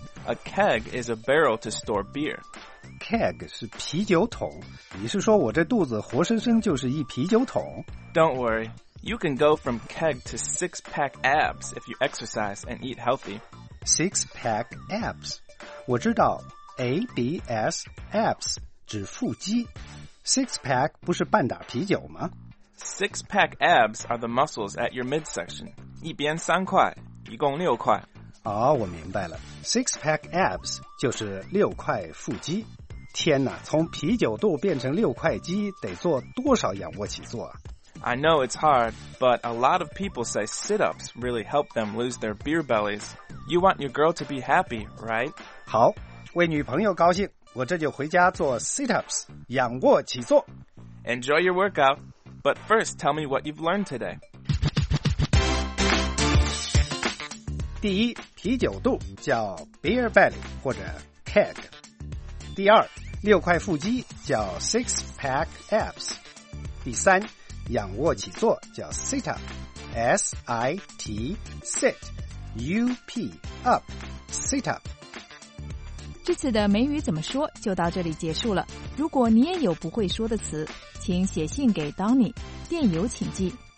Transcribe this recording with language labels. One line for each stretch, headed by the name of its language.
English: A keg is a barrel to store beer.
Chinese: Keg 是啤酒桶，你是说我这肚子活生生就是一啤酒桶
English: ？Don't worry, you can go from keg to six-pack abs if you exercise and eat healthy.
Chinese: Six-pack abs， 我知道 ，abs abs 指腹肌。 Six-pack 不是半打啤酒吗
English: ？Six-pack abs are the muscles at your midsection.
Chinese: 一边三块，一共六块。哦，我明白了 ，six-pack abs 就是六块腹肌。天哪，从啤酒肚变成六块肌得做多少仰卧起坐啊？
English: I know it's hard, but a lot of people say sit-ups really help them lose their beer bellies. You want your girl to be happy, right?
Chinese: 好，为女朋友高兴，我这就回家做 sit-ups, 仰卧起坐。
English: Enjoy your workout, but first tell me what you've learned today.
Chinese: 第一，啤酒肚叫 beer belly 或者 keg。第二，六块腹肌叫 six-pack abs。第三，仰卧起坐叫 sit up, S-I-T, sit, U-P, up, sit up. 这次的美语怎么说就到这里结束了。如果你也有不会说的词，请写信给 Donny, 电邮请寄